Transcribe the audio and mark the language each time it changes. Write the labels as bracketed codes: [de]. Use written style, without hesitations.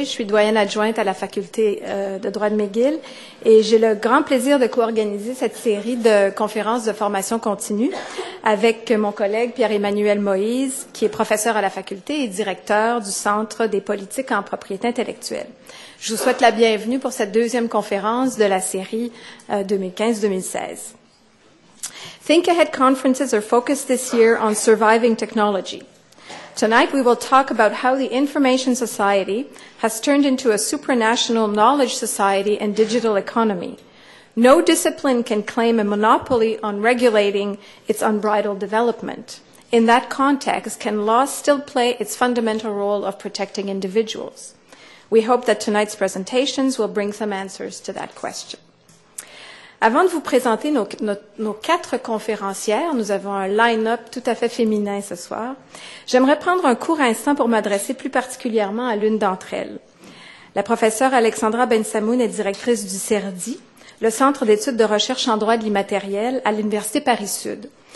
[fr] Je suis doyenne adjointe à la faculté de droit de McGill. Et j'ai le grand plaisir de co-organiser cette série de conférences de formation continue avec mon collègue Pierre-Emmanuel Moïse, qui est professeur à la faculté et directeur du Centre des politiques en propriété intellectuelle. Je vous souhaite la bienvenue pour cette deuxième conférence de la série 2015-2016. [en] Think Ahead conferences are focused this year on surviving technology. Tonight we will talk about how the information society has turned into a supranational knowledge society and digital economy. No discipline can claim a monopoly on regulating its unbridled development. In that context, can law still play its fundamental role of protecting individuals? We hope that tonight's presentations will bring some answers to that question. [fr] Avant de vous présenter nos quatre conférencières, nous avons un line-up tout à fait féminin ce soir, j'aimerais prendre un court instant pour m'adresser plus particulièrement à l'une d'entre elles. La professeure Alexandra Bensamoun est directrice du CERDI, le Centre d'études de recherche en droit de l'immatériel à l'Université Paris-Sud.